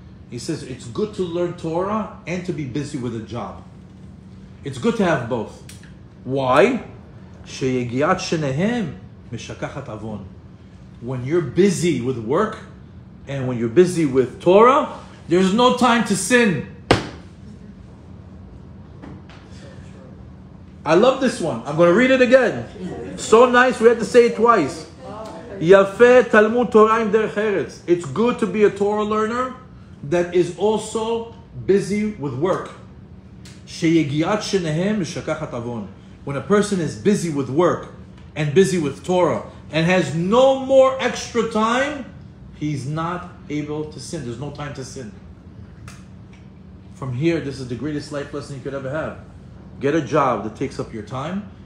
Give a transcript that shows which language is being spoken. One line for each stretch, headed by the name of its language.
English: He says, it's good to learn Torah and to be busy with a job. It's good to have both. Why?
Hebrew: שיגיעת שניהם משכחת עוון.
English: When you're busy with work and when you're busy with Torah, there's no time to sin. I love this one. I'm going to read it again. So nice, we had to say it twice.
Hebrew: יפה תלמוד תורה עם דרך ארץ.
English: It's good to be a Torah learner that is also busy with work.
Hebrew: שיגיעת שניהם משכחת עוון.
English: When a person is busy with work and busy with Torah and has no more extra time, he's not able to sin. There's no time to sin. From here, this is the greatest life lesson you could ever have. Get a job that takes up your time.